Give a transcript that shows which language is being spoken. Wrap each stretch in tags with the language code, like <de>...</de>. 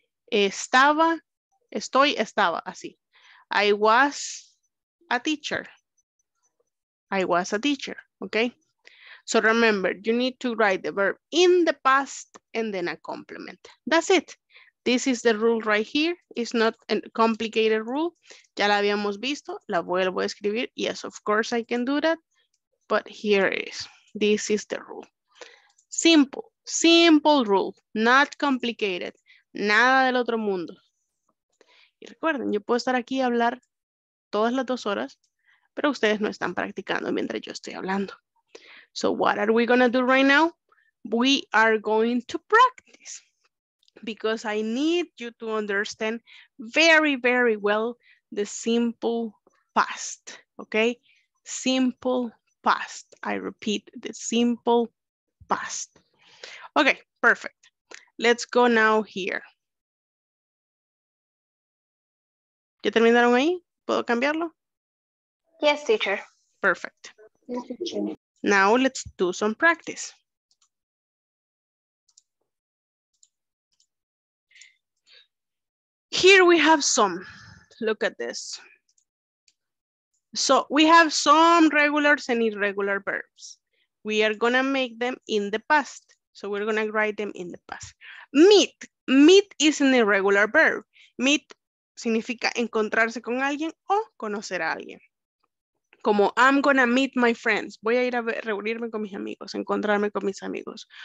<es>Estaba, estoy, estaba, así.</es> <en>I was a teacher. I was a teacher, okay? So remember, you need to write the verb in the past and then a complement. That's it. This is the rule right here. It's not a complicated rule.</en> <es>Ya la habíamos visto, la vuelvo a escribir.</es> <en>Yes, of course I can do that. But here it is. This is the rule. Simple, simple rule, not complicated.</en> <es>Nada del otro mundo. Y recuerden, yo puedo estar aquí y hablar todas las dos horas, pero ustedes no están practicando mientras yo estoy hablando.</es> <en>So what are we going to do right now? We are going to practice. Because I need you to understand very, very well the simple past. Okay? Simple past. I repeat, the simple past. Okay, perfect. Let's go now here.</en> <es>¿Ya terminaron ahí? ¿Puedo cambiarlo?</es> <en>Yes, teacher. Perfect. Yes, teacher. Now let's do some practice. Here we have some. Look at this. So we have some regulars and irregular verbs. We are gonna make them in the past. So we're gonna write them in the past. Meet. Meet is an irregular verb.</en> <es>Meet significa encontrarse con alguien o conocer a alguien. Como</es> <en>I'm gonna meet my friends.</en> <es>Voy a ir a reunirme con mis amigos, encontrarme con mis amigos.</es>